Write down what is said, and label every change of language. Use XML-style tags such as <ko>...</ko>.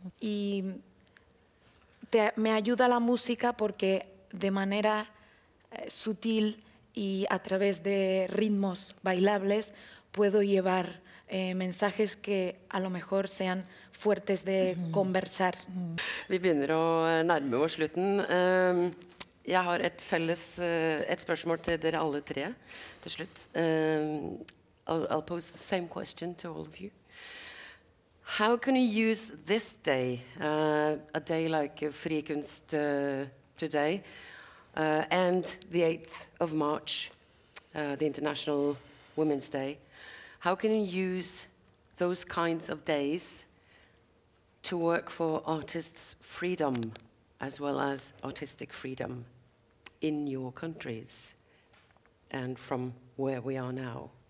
<es>Y me ayuda la música porque de manera sutil y a través de ritmos bailables puedo llevar mensajes que a lo mejor sean fuertes de conversar.</es> <no>Vi begynner å nærme oss slutten. Jeg har et felles et spørsmål til dere alle tre til slutt.</no> <en>I'll pose the same question to all of you. How can you use this day, a day like Fri Kunst today, and the 8th of March, the International Women's Day, how can you use those kinds of days to work for artists' freedom as well as artistic freedom in your countries and from where we are now?</en>